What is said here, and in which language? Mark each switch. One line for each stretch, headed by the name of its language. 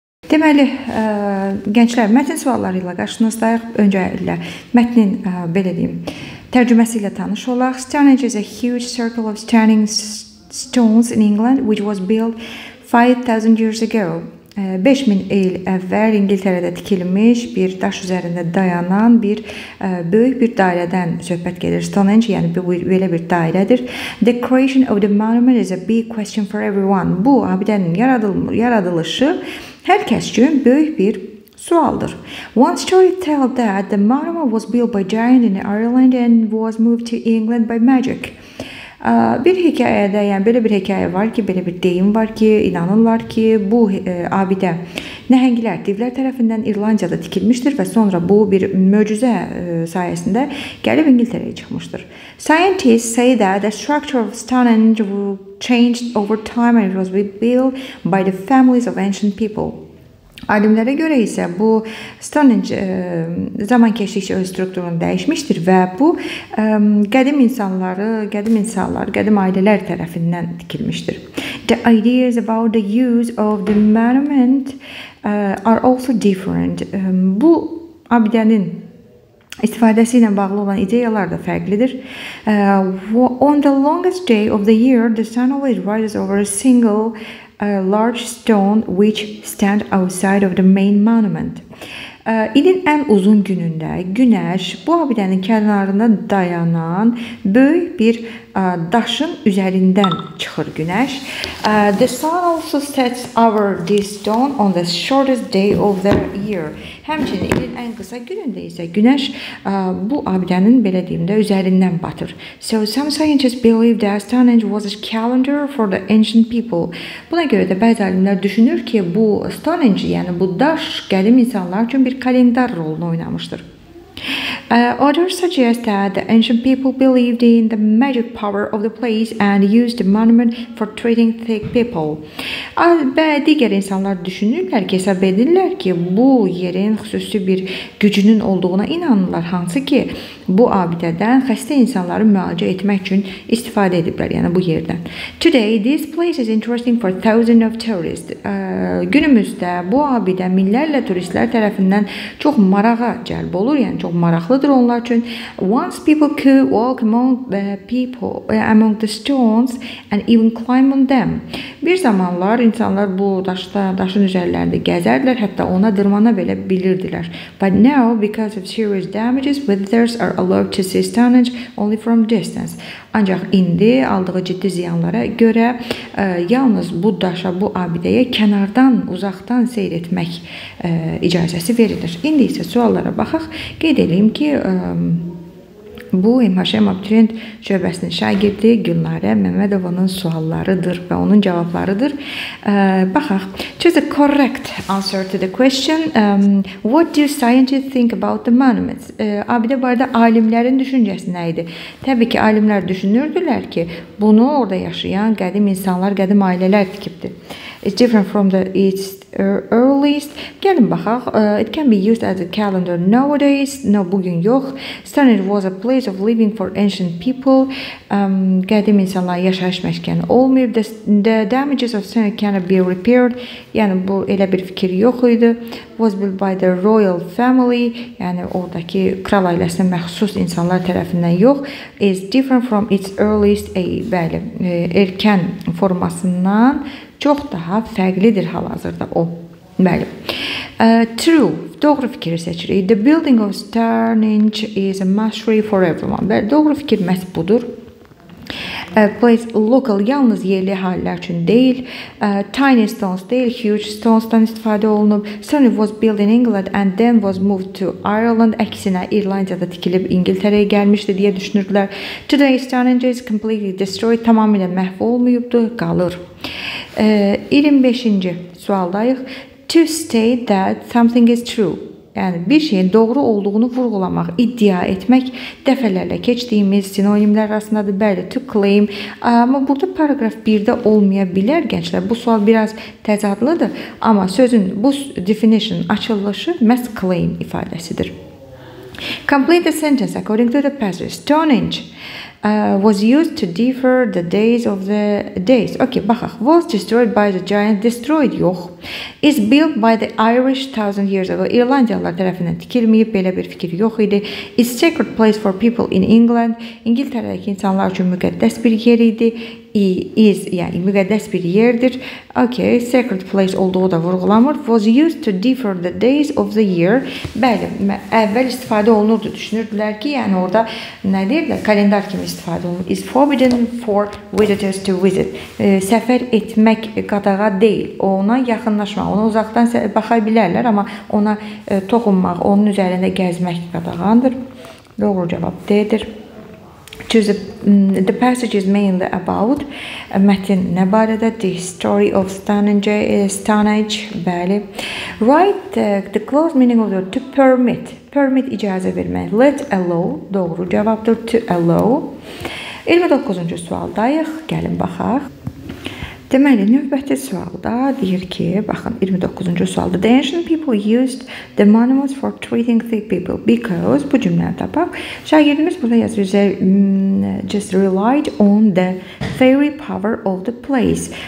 Azerbaijani: Deməli, gənclər, mətn sualları ilə qarşınızdayıq. Öncə ilə mətnin, belə deyim, tərcüməsi ilə tanış olaq.
English: Stonehenge is a huge circle of standing stones in England, which was built 5,000 years ago.
Azerbaijani: 5000 il əvvəl İngiltərədə tikilmiş bir daş üzərində dayanan bir böyük bir dairədən söhbət gedir. Stonehenge, yəni belə bir dairədir.
English: The creation of the monument is a big question for everyone.
Azerbaijani: Bu abidənin yaradılışı hər kəs üçün böyük bir sualdır.
English: One story tells that the monument was built by giant in Ireland and was moved to England by magic.
Azerbaijani: Bir hekayədə, yəni belə bir hekayə var ki, belə bir deyim var ki, inanırlar ki, bu abidə nəhənglər, divlər tərəfindən İrlandiyada tikilmişdir və sonra bu bir möcüzə sayəsində gəlib İngiltərəyə çıxmışdır.
English: Scientists say that the structure of Stonehenge changed over time and it was rebuilt by the families of ancient people.
Azerbaijani: Alimlərə görə isə bu Stonehenge zaman keçdikcə öz strukturunu dəyişmişdir və bu qədim ailələr tərəfindən tikilmişdir.
English: The ideas about the use of the monument are also different.
Azerbaijani: Bu abidənin istifadəsi ilə bağlı olan ideyalar da fərqlidir.
English: On the longest day of the year, the sun always rises over a single a large stone which stand outside of the main monument.
Azerbaijani: İlin ən uzun günündə günəş bu abidənin kənarında dayanan böyük bir daşın üzərindən çıxır günəş.
English: The sun also sets over this stone on the shortest day of the year.
Azerbaijani: Həmçinin ilin ən qısa günündə isə günəş bu abidənin belə deyim də üzərindən batır.
English: So some scientists believe that Stonehenge was a calendar for the ancient people.
Azerbaijani: Buna görə də bəzi alimlər düşünür ki, bu Stonehenge, yəni bu daş qədim insanlar üçün bir kalendar rolunu oynamışdır.
English: Others suggest that the ancient people believed in the magic power of the place and used the monument for treating sick people.
Azerbaijani: Digər insanlar düşünürlər ki, hesab edirlər ki, bu yerin xüsusi bir gücünün olduğuna inanırlar, hansı ki, bu abidədən xəstə insanları müalicə etmək üçün istifadə ediblər, yəni bu yerdən.
English: Today, this place is interesting for thousands of tourists.
Azerbaijani: Günümüzdə bu abidə minlərlə turistlər tərəfindən çox marağa cəlb olur, yəni çox maraqlıdır onlar üçün.
English: Once people could walk among the stones and even climb on them.
Azerbaijani: Bir zamanlar insanlar bu daşın üzərlərində gəzərdilər, hətta ona dırmana belə bilirdilər.
English: But now, because of serious damages, visitors are allowed to see Stonehenge only from distance.
Azerbaijani: Ancaq indi aldığı ciddi ziyanlara görə yalnız bu daşa, bu abidəyə kənardan, uzaqdan seyr etmək icazəsi verilir. İndi isə suallara baxaq. Qeyd edeyim ki, bu MHM Abituriyent şöbəsinin şagirdi Gülnarə Məmmədovanın suallarıdır və onun cavablarıdır. Baxaq.
English: Choose a correct answer to the question. What do scientists think about the monuments?
Azerbaijani: Abidə barədə alimlərin düşüncəsi nə idi? Təbii ki, alimlər düşünürdülər ki, bunu orada yaşayan qədim insanlar, qədim ailələr tikibdir.
English: It's different from the earliest.
Azerbaijani: Gəlin baxaq.
English: It can be used as a calendar nowadays. No,
Azerbaijani: bugün yox.
English: Stonehenge was a place of living for ancient people.
Azerbaijani: Qədim insanlar yaşayış məskəni olmayıb.
English: The damages of Stonehenge cannot be repaired.
Azerbaijani: Yəni, bu elə bir fikir yox idi.
English: Was built by the royal family.
Azerbaijani: Yəni, oradakı kral ailəsinə məxsus insanlar tərəfindən yox.
English: It's different from its earliest
Azerbaijani: erkən formasından. Çox daha fərqlidir hal-hazırda o. Bəli. True. Doğru fikir seçirik.
English: The building of Stonehenge is a mastery for everyone.
Azerbaijani: Bəli, doğru fikir məhz budur.
English: Place local,
Azerbaijani: yalnız yerli əhalilər üçün deyil.
English: Tiny stones
Azerbaijani: deyil,
English: huge stones-
Azerbaijani: dan istifadə olunub.
English: Stonehenge was built in England and then was moved to Ireland.
Azerbaijani: Əksinə, İrlandiyada tikilib İngiltərəyə gəlmişdi deyə düşünürdülər.
English: Today, Stonehenge is completely destroyed.
Azerbaijani: Tamamilə məhv olmayıbdır, qalır. 25-ci sualdayıq.
English: To state that something is true.
Azerbaijani: Yəni, bir şeyin doğru olduğunu vurgulamaq, iddia etmək dəfələrlə keçdiyimiz sinonimlər arasındadır. Bəli,
English: to claim.
Azerbaijani: Amma burada paragraf 1-də olmaya bilər, gənclər. Bu sual biraz təzadlıdır. Amma sözün, bu definition, açılışı məhz claim ifadəsidir.
English: Complete the sentence according to the passage. Stonehenge was used to defer the days of the days. Okay,
Azerbaijani: baxaq.
English: Was destroyed by the giant. Destroyed, yox. is built by the Irish 1000 years ago.
Azerbaijani: İrlandiyalılar tərəfindən tikilməyib, belə bir fikir yox idi.
English: It's a sacred place for people in England.
Azerbaijani: İngiltərədəki insanlar üçün müqəddəs bir yer idi. Is, yəni müqəddəs bir yerdir. Okay, sacred place olduğu da vurğulanır.
English: Was used to differ the days of the year.
Azerbaijani: Bəli, əvvəl istifadə olunurdu. Düşünürdülər ki, yəni orada nə deyirlər, kalendar kimi istifadə olunur.
English: Is forbidden for visitors to visit.
Azerbaijani: Səfər etmək qadağa deyil. Ona yaxınlaşmaq, ona uzaqdan baxa bilərlər, amma ona toxunmaq, onun üzərində gəzmək qadağandır. Doğru cavab D-dir.
English: Choose the passages mainly about
Azerbaijani: Mətn nə barədə,
English: the story of Stonehenge, bəli. Write the close meaning of the to permit. Permit
Azerbaijani: icazə vermək.
English: Let allow,
Azerbaijani: doğru cavabdır,
English: to allow.
Azerbaijani: 29-cu sualdayıq, gəlin baxaq. Deməli, növbəti sualda deyir ki, baxın, 29-cu sualda
English: the ancient people used the monuments for treating sick people because,
Azerbaijani: bu cümləni tapaq, şagirdimiz burada yazır,
English: just relied on the fairy power of the place.